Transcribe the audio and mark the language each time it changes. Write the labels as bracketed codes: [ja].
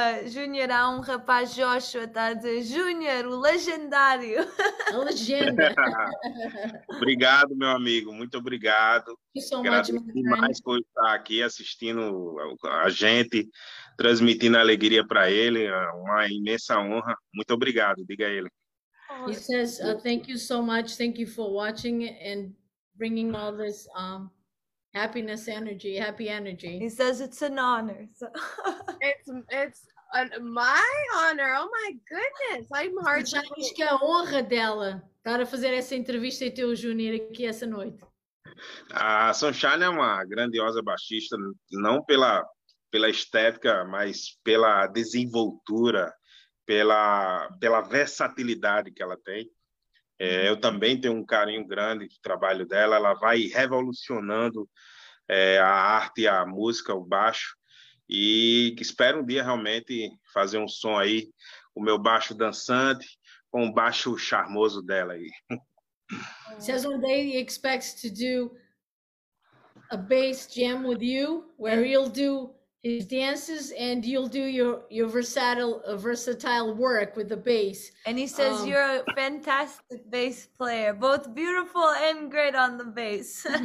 [pt] Junior, há um rapaz, Joshua, está a dizer, Junior, o legendário. A legenda. Obrigado, meu amigo, muito obrigado. Agradeço demais por estar aqui assistindo a gente, transmitindo alegria para ele, uma imensa honra. Muito obrigado, diga a ele. [en] He says, thank you so much, thank you for watching and bringing all this happiness energy, happy energy. He says it's an honor. So. It's my honor. Oh my goodness. I'm hard. [pt] Já diz que é a honra dela estar a fazer essa entrevista e ter o Junior aqui essa noite. A Sunshine é uma grandiosa baixista, não pela estética, mas pela desenvoltura, pela versatilidade que ela tem. Eu também tenho um carinho grande do trabalho dela. Ela vai revolucionando a arte, a música, o baixo. E espero um dia realmente fazer um som aí, o meu baixo dançante, com o baixo charmoso dela aí. [en] He says one day he expects to do a bass jam with you, where he'll do his dances and you'll do your versatile work with the bass. And he says you're a fantastic bass player, both beautiful and great on the bass.